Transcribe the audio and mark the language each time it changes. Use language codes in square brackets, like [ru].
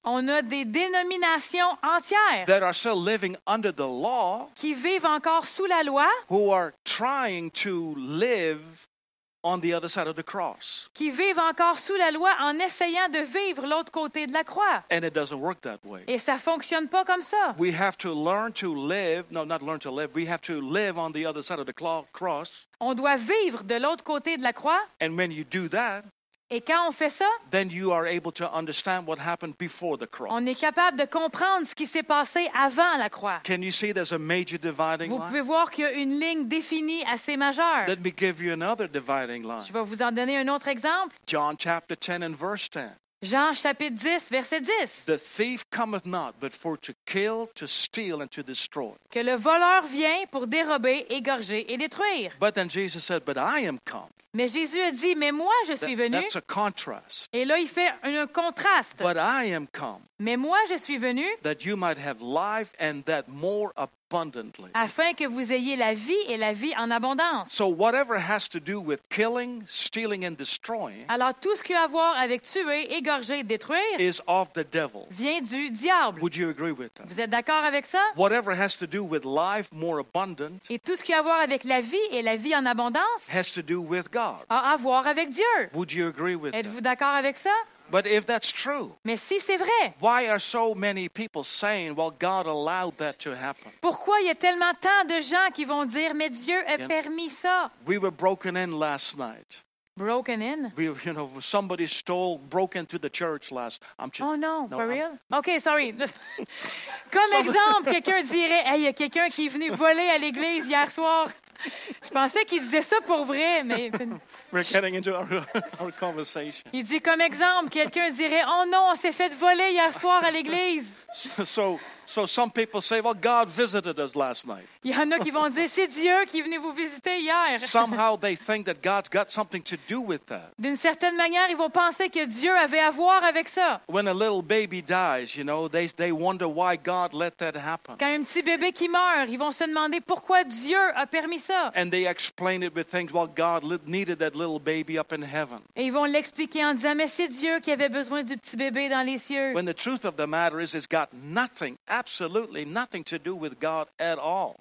[fr] On a des dénominations entières. [en] That are still living under the law. [fr] Qui vivent encore sous la loi. [en] Who are trying to live on the other side of the cross. [fr] Qui vivent encore sous la loi en essayant de vivre l'autre côté de la croix. [en] And it doesn't work that way. [fr] Et ça fonctionne pas comme ça. [en] We have to learn to live, no, not learn to live, we have to live on the other side of the cross. [fr] On doit vivre de l'autre côté de la croix. [en] And when you do that, [fr] et quand on fait ça, [en] then you are able to understand what happened before the cross. [fr] On est capable de comprendre ce qui s'est passé avant la croix. [en] Can you see there's a major dividing line? [fr] Vous pouvez voir qu'il y a une ligne définie assez majeure. [en] Let me give you another dividing line. [fr] Je vais vous en donner un autre exemple. [en] John chapter 10 and verse 10. [fr] Jean chapitre 10 verset 10. [en] The thief cometh not but for to kill, to steal and to destroy. [fr] Que le voleur vient pour dérober, égorger et détruire. [en] But then Jesus said, but I am come. [fr] Mais Jésus a dit, mais moi je suis venu. [en] That's a contrast. [fr] Et là il fait un contraste. [en] But I am come. [fr] Mais moi je suis venu. [en] That you might have life and that more abundantly. [fr] Afin que vous ayez la vie et la vie en abondance. [en] So whatever has to do with killing, stealing and destroying. [fr] Alors tout ce qui a à voir avec tuer, égorger, détruire. [en] Is of the devil. [fr] Vient du diable. [en] Would you agree with that? [fr] Vous êtes d'accord avec ça? [en] Whatever has to do with life more abundant. [fr] Et tout ce qui a à voir avec la vie et la vie en abondance. [en] Has to do with God. [fr] A à voir avec Dieu. [en] Would you agree with [fr] Êtes-vous d'accord avec ça? [en] But if that's true, [fr] mais si c'est vrai, [en] why are so many people saying, "Well, God allowed that to happen"? [fr] Pourquoi y a tellement tant de gens qui vont dire, mais Dieu a permis ça? [en] We were broken in last night. Broken in? Somebody stole, broke into the church last. Real? Okay, sorry. [fr] Comme exemple, quelqu'un dirait, hey, y a quelqu'un qui est venu voler à l'église hier soir. Je pensais qu'il disait ça pour vrai, mais. [en] We're getting into our conversation. [fr] Il dit comme exemple, quelqu'un dirait, oh non, on s'est fait voler hier soir à l'église. [en] So some people say, well, God visited us last night. [fr] Il y en a qui vont dire, c'est Dieu qui est venu vous visiter hier. [en] Somehow they think that God's got something to do with that. [fr] D'une certaine manière, ils vont penser que Dieu avait à voir avec ça. [en] When a little baby dies, you know, they wonder why God let that happen. [fr] Quand un petit bébé qui meurt, ils vont se demander pourquoi Dieu a permis ça. [en] And they explain it with things, well, God needed that little baby up in heaven. [fr] Et ils vont l'expliquer en disant, mais c'est Dieu qui avait besoin du petit bébé dans les cieux. [en] When the truth of the matter is, it's got nothing, absolutely nothing to do with God at all.